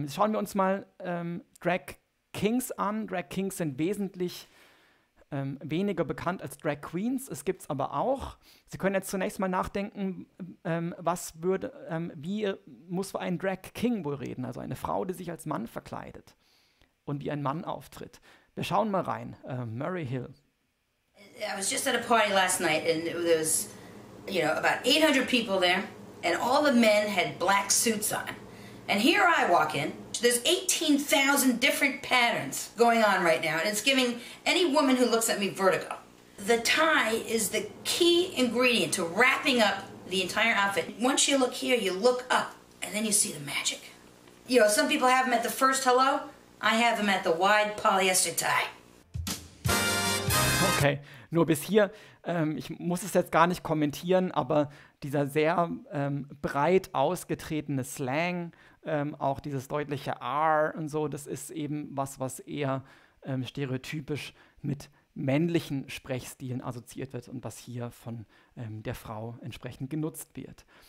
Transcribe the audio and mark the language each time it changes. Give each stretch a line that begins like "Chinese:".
German: Schauen wir uns mal Drag Kings an. Drag Kings sind wesentlich weniger bekannt als Drag Queens. Es gibt es aber auch. Sie können jetzt zunächst mal nachdenken, wie muss man einen Drag King wohl reden? Also eine Frau, die sich als Mann verkleidet und wie ein Mann auftritt. Wir schauen mal rein. Murray Hill.
English: I was just at a party last night and there was, you know, about 800 people there and all the men had black suits on. And here I walk in. There's 18,000 different patterns going on right now, and it's giving any woman who looks at me vertigo. The tie is the key ingredient to wrapping up the entire outfit. Once you look here, you look up, and then you see the magic. You know, some people have them at the first hello. I have them at the wide polyester tie.
German: Okay, nur bis hier. Ich muss es jetzt gar nicht kommentieren, aber dieser sehr breit ausgetretene Slang, auch dieses deutliche R und so, das ist eben was eher stereotypisch mit männlichen Sprechstilen assoziiert wird und was hier von der Frau entsprechend genutzt wird.